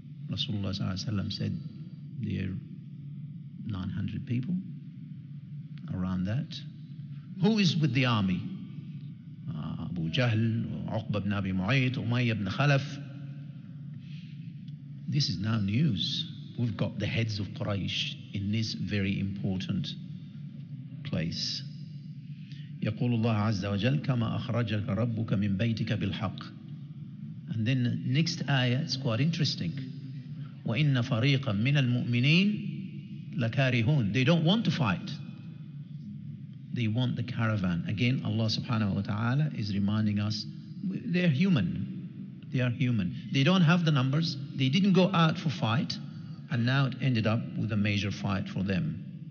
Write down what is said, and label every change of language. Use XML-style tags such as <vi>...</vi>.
<en>Rasulullah sallallahu alayhi wa sallam said, there are 900 people around that. Who is with the army? Abu Jahl, Uqba ibn Abi Mu'ayt, Umayyah ibn Khalaf. This is now news. We've got the heads of Quraysh in this very important place.</en> <ar>يقول الله عز وجل كما أخرجك ربك من بيتك بالحق.</ar> <en>And then next ayah is quite interesting.</en> <ar>وإن فريقا من المؤمنين لكارهون.</ar> <en>They don't want to fight. They want the caravan. Again, Allah subhanahu wa ta'ala is reminding us, they're human. They are human. They don't have the numbers. They didn't go out for fight. And now it ended up with a major fight for them.</en>